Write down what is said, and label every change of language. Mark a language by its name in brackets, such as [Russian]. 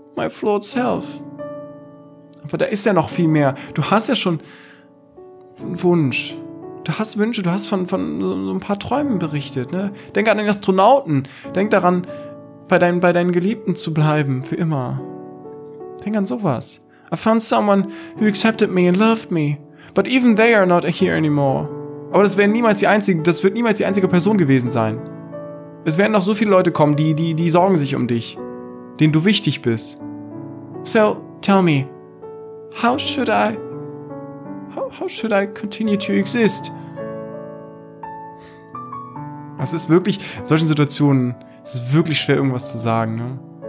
[English] my flawed self. [German] Aber da ist ja noch viel mehr. Du hast ja schon einen Wunsch. Du hast Wünsche, du hast von so ein paar Träumen berichtet. Ne? Denk an den Astronauten. Denk daran, bei deinen Geliebten zu bleiben, für immer. Denk an sowas. [English] I found someone who accepted me and loved me. But even they are not here anymore. [German] Aber das wird niemals die einzige Person gewesen sein. Es werden noch so viele Leute kommen, die sorgen sich um dich. Den du wichtig bist. [English] So, tell me, how should I continue to exist? [German] Es ist wirklich, in solchen Situationen, es ist wirklich schwer, irgendwas zu sagen, ne?